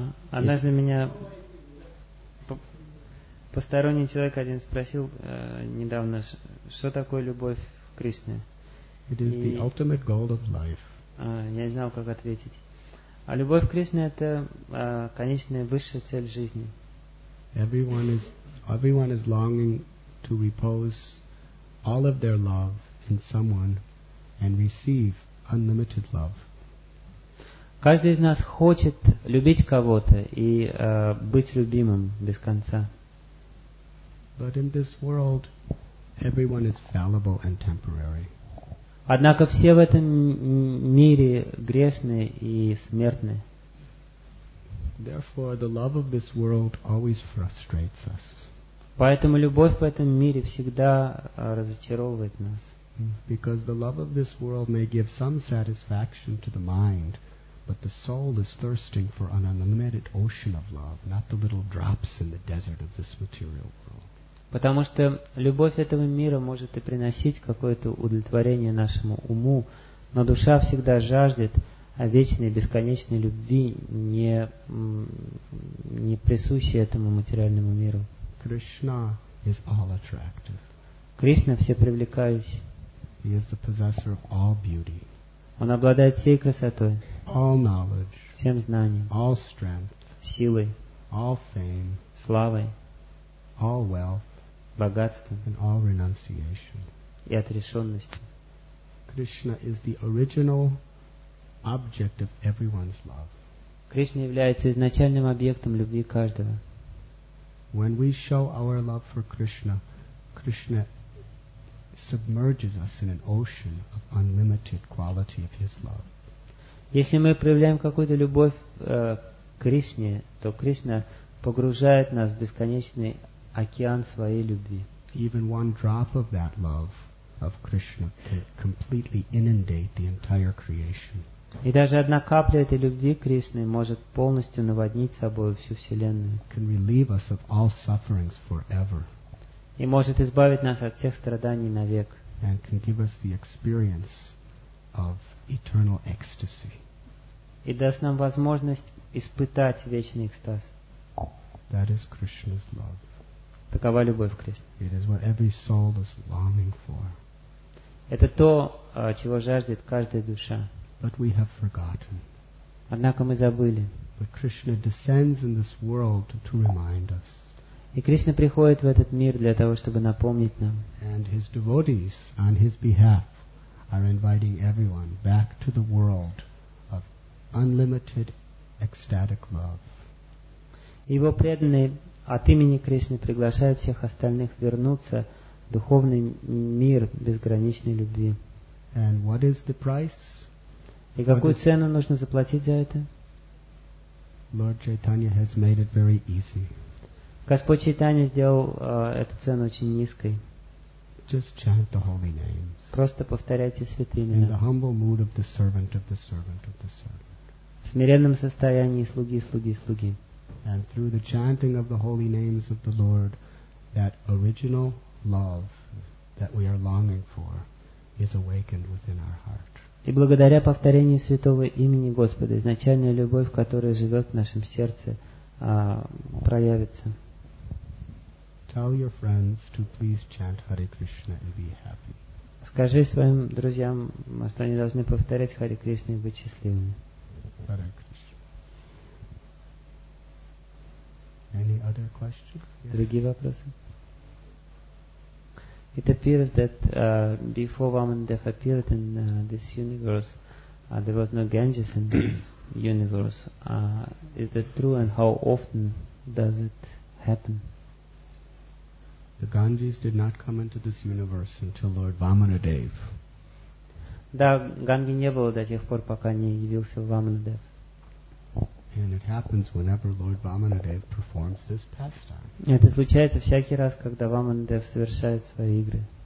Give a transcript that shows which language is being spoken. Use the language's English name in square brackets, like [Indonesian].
[Russian] Однажды меня посторонний человек один спросил недавно, что такое любовь к Кришне? [English] It is the ultimate goal of life. [Russian] Я не знал, как ответить. А любовь к Кришне — это конечная высшая цель жизни. [English] Everyone is longing to repose all of their love in someone and receive unlimited love. [Russian] Каждый из нас хочет любить кого-то и быть любимым без конца. [English] But in this world, everyone is fallible and temporary. [Russian] Однако все в этом мире грешны и смертны. [English] Therefore, the love of this world always frustrates us. [Russian] Поэтому любовь в этом мире всегда разочаровывает нас. [English] Because the love of this world may give some satisfaction to the mind, but the soul is thirsting for an unlimited ocean of love, not the little drops in the desert of this material world. [Russian] Потому что любовь этого мира может и приносить какое-то удовлетворение нашему уму, но душа всегда жаждет о вечной, бесконечной любви, не присущей этому материальному миру. Кришна всепривлекающий. Он обладает всей красотой, [English] all knowledge, [Russian] всем знанием, [English] all strength, [Russian] силой, [English] all fame, [Russian] славой, [English] all wealth, [Russian] богатством [English] and all renunciation. [Russian] И отрешенностью. [English] Krishna is the original object of everyone's love. [Russian] Кришна является изначальным объектом любви каждого. [English] When we show our love for Krishna, Krishna submerges us in an ocean of unlimited quality of His love. [Russian] Если мы проявляем какую-то любовь к Кришне, то Кришна погружает нас в бесконечный океан своей любви. [English] Even one drop of that love of Krishna can completely inundate the entire creation. [Russian] И даже одна капля этой любви Кришны может полностью наводнить собой всю вселенную. [English] Can relieve us of all sufferings forever. [Russian] И может избавить нас от всех страданий навек. [English] And can give us the experience of eternal ecstasy. [Russian] И даст нам возможность испытать вечный экстаз. [English] That is Krishna's love. [Russian] Такова любовь Кришны. [English] It is what every soul is longing for. [Russian] Это то, чего жаждет каждая душа. [English] But we have forgotten. [Russian] Однако мы забыли. [English] But Krishna descends in this world to remind us. [Russian] И Кришна приходит в этот мир для того, чтобы напомнить нам. [English] And his devotees, on his behalf, are inviting everyone back to the world of unlimited ecstatic love. [Russian] Его преданные от имени Кришны приглашают всех остальных вернуться в духовный мир безграничной любви. [English] And what is the price? [Russian] И какую цену нужно заплатить за это? [English] Lord Chaitanya has made it very easy. [Russian] Господь Чайтанья сделал эту цену очень низкой. [English] Just chant the holy names. [Russian] Просто повторяйте святые имена. [English] In the humble mood of the servant of the servant of the servant. [Russian] В смиренном состоянии слуги, слуги, слуги. [English] And through the chanting of the holy names of the Lord, that original love that we are longing for is awakened within our heart. [Russian] И благодаря повторению святого имени Господа, изначальная любовь, которая живет в нашем сердце, проявится. [English] Tell your friends to please chant Hare Krishna and be happy. [Russian] Скажи своим друзьям, что они должны повторять Хари Кришна и быть счастливыми. [English] Hare Krishna. Any other questions? [Russian] Yes. Другие вопросы? [English] It appears that before Vamandev appeared in this universe, there was no Ganges in this universe. Is that true, and how often does it happen? The Ganges did not come into this universe until Lord Vamanadev. [Russian] Да, Ганги не было до тех пор, пока не явился Vamanadev. [English] And it happens whenever Lord Vamanadev performs this pastime. [Russian] Это случается всякий раз, когда Vamanadev совершает свои игры.